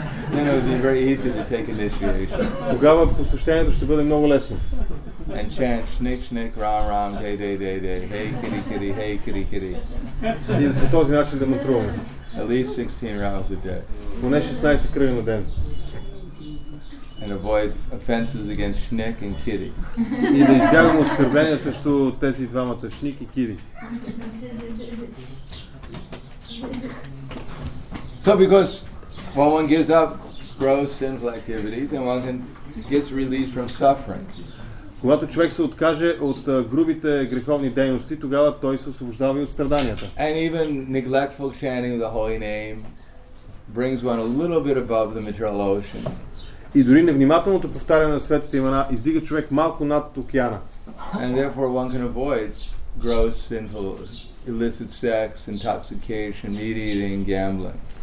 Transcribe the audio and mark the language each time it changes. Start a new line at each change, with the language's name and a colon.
English: Then it would be very easy to take initiation.
Bulgarian: Тогава посещението ще бъде много лесно.
English: And chant snick snick ram ram day day day day hey kitty kitty hey kitty kitty.
Bulgarian: И по този начин да мутруваме.
English: At least 16 rounds a day.
Bulgarian: Поне 16 кръга на ден.
English: And avoid offenses against snick and kitty.
Bulgarian: И да избягаме оскърбления срещу тези двамата сник и кити.
English: So because when one gives up gross sinful activity, then one can get relieved from suffering.
Bulgarian: Когато човек се откаже от грубите греховни дейности, тогава той се освобождава и от страданията.
English: And even neglectful chanting the holy name brings one a little bit above the material ocean.
Bulgarian: И дори невнимателното повтаряне на светите имена издига човек малко над океана.
English: And therefore one can avoid gross sinful illicit sex, intoxication, meat eating, gambling.